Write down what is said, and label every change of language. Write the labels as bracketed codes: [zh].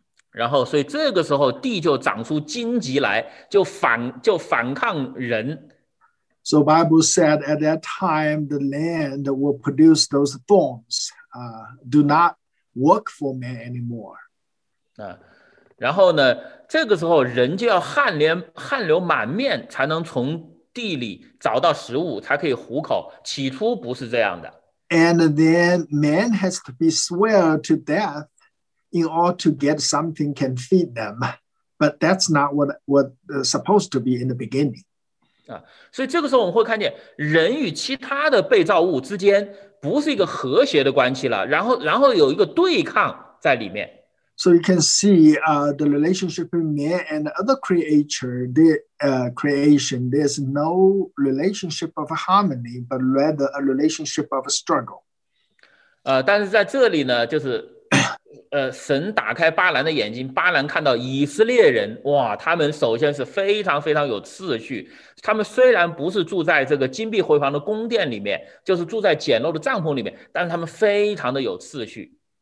[zh] 然后，所以这个时候地就长出荆棘来，就反抗人。 [en] So Bible said at that time the land will produce those thorns, do not work for man anymore. [zh] 然后呢，这个时候人就要汗流满面，才能从地里找到食物，才可以糊口。起初不是这样的。 [en] And then man has to be sweared to death in order to get something can feed them. But that's not what supposed to be in the beginning. [zh] 所以这个时候我们会看见人与其他的被造物之间不是一个和谐的关系了，然后有一个对抗在里面。 [en] So you can see the relationship between man and other creature, the creation, there's no relationship of harmony, but rather a relationship of struggle. [zh] 但是在这里呢，就是神打开巴兰的眼睛，巴兰看到以色列人，哇，他们首先是非常非常有秩序，他们虽然不是住在这个金碧辉煌的宫殿里面，就是住在简陋的帐篷里面，但是他们非常的有秩序。